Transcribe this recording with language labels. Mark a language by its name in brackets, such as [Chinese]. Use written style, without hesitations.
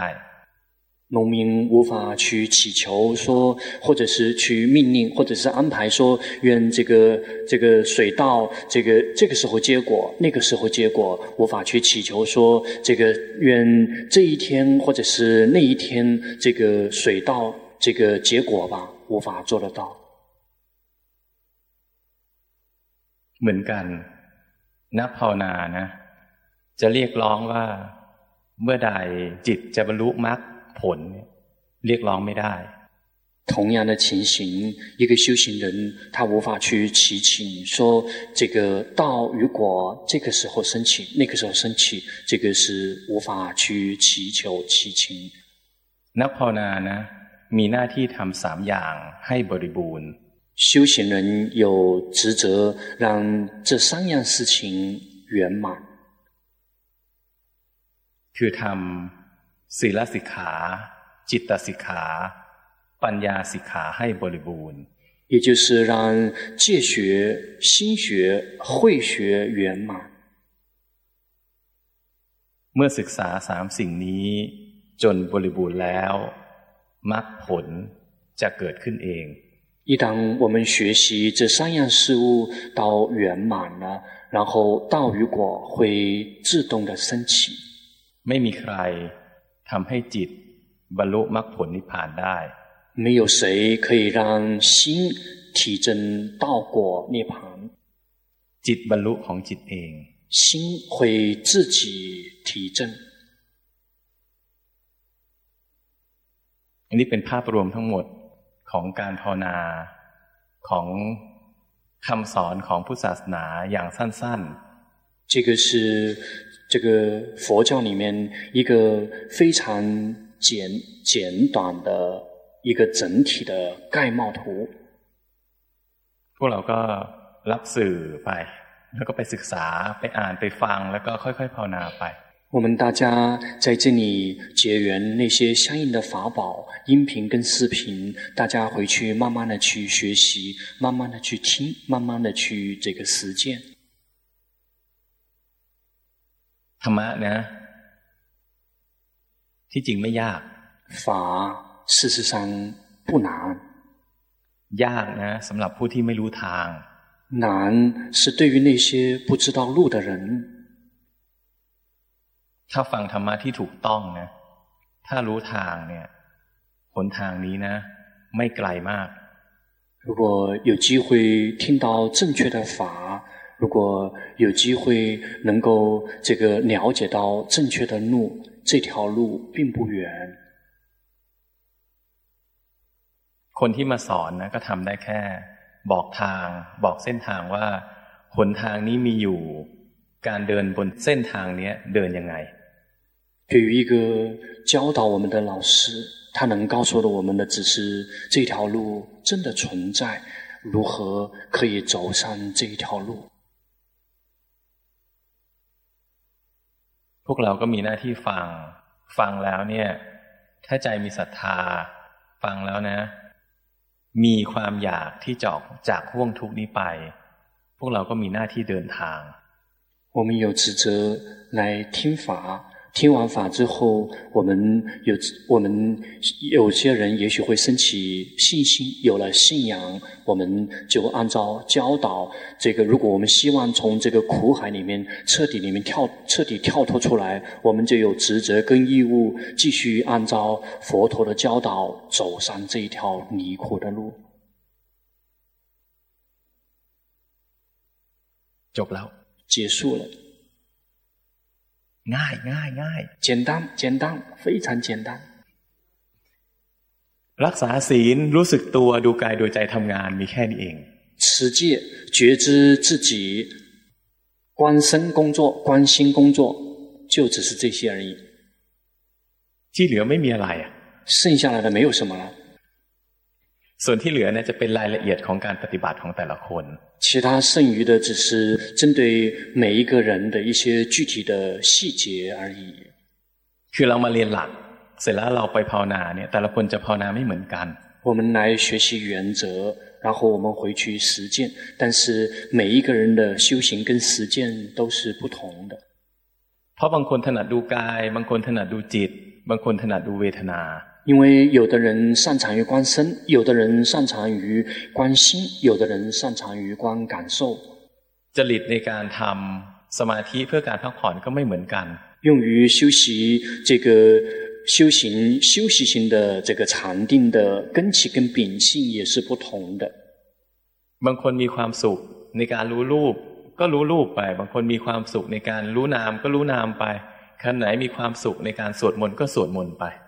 [Chinese] 农民无法去祈求说或者是去命令或者是安排说愿这个水稻这个时候结果那个时候结果无法去祈求说这个愿这一天或者是那一天这个水稻这个结果吧无法做得到 [Thai] หมือนกันนักภาวนานะจะเรียกร้องว่าเมื่อใดจิตจะบรรลุมรรคผลเรียกร้องไม่ได้ [Chinese] 同样的情形，一个修行人，他无法去祈请说这个道如果这个时候升起，那个时候升起，这个是无法去祈求祈请。 [Thai] 那ภาวนานะ มีหน้าที่ทำสามอย่างให้บริบูรณ์。 [Chinese] 修行人有职责让这三样事情圆满。 [Thai] คือทำศีลสิกขา จิตสิกขาปัญญาสิกขาให้บริบูรณ์ [Chinese] 也就是让戒学心学慧学圆满 [Thai] เมื่อศึกษาสามสิ่งนี้จนบริบูรณ์แล้วมรรคผลจะเกิดขึ้นเอง [Chinese] 一旦我们学习这三样事物到圆满了然后道与果会自动的升起 [Thai] ไม่มีใครทำให้จิตบรรลุมรรคผลนิพพานได้ [Chinese] 没有谁可以让心体证道果涅槃 [Thai] จิตบรรลุของจิตเอง [Chinese] 心会自己体证 [Thai] อันนี้เป็นภาพรวมทั้งหมดของการภาวนาของคำสอนของพุทธศาสนาอย่างสั้น [Chinese] ๆ这个是这个佛教里面一个非常简短的一个整体的概貌图 [Thai] พวกเราก็รับสื่อไปแล้วก็ไปศึกษาไปอ่านไปฟังแล้วก็ค่อยๆภาวนาไป [Chinese] 我们大家在这里结缘那些相应的法宝音频跟视频大家回去慢慢的去学习慢慢的去听慢慢的去这个实践 [Thai] ธรรมะนะที่จริงไม่ยาก [Chinese] 法事实上不难 [Thai] ยากนะสำหรับผู้ที่ไม่รู้ทาง [Chinese] 难是对于那些不知道路的人 [Thai] ถ้าฟังธรรมะที่ถูกต้องนะถ้ารู้ทางเนี่ยหนทางนี้นะไม่ไกลมาก [Chinese] 如果有机会听到正确的法如果有机会能够这个了解到正确的路这条路并不远 [Thai] คนที่มาสอนนะก็ทำได้แค่บอกทางบอกเส้นทางว่าหนทางนี้มีอยู่การเดินบนเส้นทางนี้เดินยังไง [Chinese] 对于一个教导我们的老师他能告诉了我们的只是这条路真的存在如何可以走上这条路 [Thai] พวกเราก็มีหน้าที่ฟังแล้วเนี่ยถ้าใจมีศรัทธาฟังแล้วนะมีความอยากที่จอกจากห่วงทุกนี้ไปพวกเราก็มีหน้าที่เดินทาง [Chinese] 我们有职责来听法听完法之后我们有些人也许会升起信心有了信仰我们就按照教导这个如果我们希望从这个苦海里面彻底跳脱出来我们就有职责跟义务继续按照佛陀的教导走上这一条离苦的路 [Thai] จบแล้ว [Chinese] 结束了 [Thai] ง่ายง่ายง่าย เจนดังเจนดัง [Chinese] 非常简单 [Thai] รักษาศีลรู้สึกตัวดูกายดูใจทำงานมีแค่นี้เอง [Chinese] 持戒觉知自己观身工作观心工作就只是这些而已 [Thai] ที่เหลือไม่มีอะไรอ่ะ [Chinese] 剩下来的没有什么了 [Thai] ส่วนที่เหลือเนี่ยจะเป็นรายละเอียดของการปฏิบัติของแต่ละคน [Chinese] 其他剩余的只是针对每一个人的一些具体的细节而已 [Thai] คือเรามาเรียนหลักเสร็จแล้วเราไปภาวนาเนี่ยแต่ละคนจะภาวนาไม่เหมือนกัน [Chinese] 我们来学习原则然后我们回去实践但是每一个人的修行跟实践都是不同的 [Thai] เพราะบางคนถนัดดูกายบางคนถนัดดูจิตบางคนถนัดดูเวทนา [Chinese] 因为有的人擅长于观身有的人擅长于观心有的人擅长于观感受 [Thai] จริตในการทำสมาธิเพื่อการพักผ่อนก็ไม่เหมือนกัน [Chinese] 用于修习这个修行休息型的这个禅定的根器跟秉性也是不同的 [Thai] บางคนมีความสุข ในการรู้รูปก็รู้รูปไปบางคนมีความสุขในการรู้นามก็รู้นามไปขณะไหนมีความสุขในการสวดมนต์ก็สวดมนต์ไป